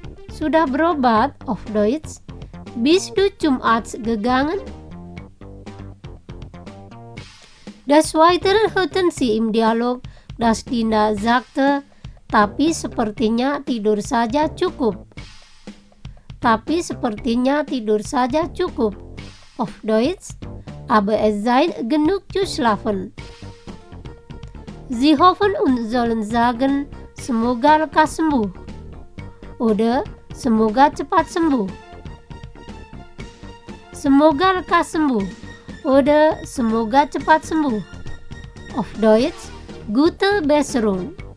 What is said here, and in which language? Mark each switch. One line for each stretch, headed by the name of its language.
Indonesian: Sudah berobat
German: auf Deutsch? Bist du zum Arzt gegangen? Des Weiteren hörten Sie im Dialog, dass Dinda sagte,
Indonesian: tapi sepertinya tidur saja cukup. Tapi sepertinya tidur saja cukup.
German: Auf Deutsch, aber es sei genug zu schlafen. Sie hoffen und sollen sagen,
Indonesian: semoga lekas sembuh. Oder, semoga cepat sembuh. Semoga lekas sembuh. Oder, semoga cepat sembuh.
German: Auf Deutsch, gute Besserung.